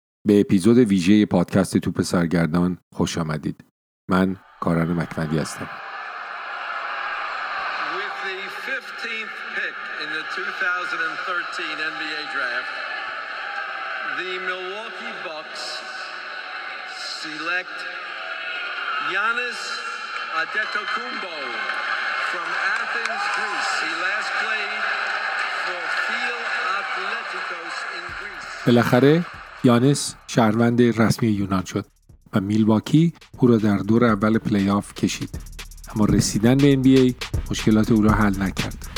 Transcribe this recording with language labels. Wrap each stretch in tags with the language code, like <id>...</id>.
<fa>به اپیزود ویژه پادکست توپ سرگردان خوش آمدید. من کاران مکمدی هستم.</fa> <en>With the 15th pick in the 2013 NBA draft, the Milwaukee Bucks select Giannis Adetokounmpo from Athens, Greece. He last played for Phil Athleticos in Greece.</en> <fa>بالاخره یانس شهروند رسمی یونان شد و میلواکی او را در دور اول پلی‌آف کشید، اما رسیدن به NBA مشکلات او را حل نکرد.</fa>